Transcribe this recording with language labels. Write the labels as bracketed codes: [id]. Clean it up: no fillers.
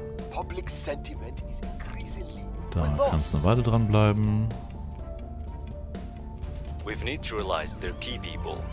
[en] Public sentiment is increasingly. [de] Da kannst du eine Weile dranbleiben. [en] We've neutralized their key people.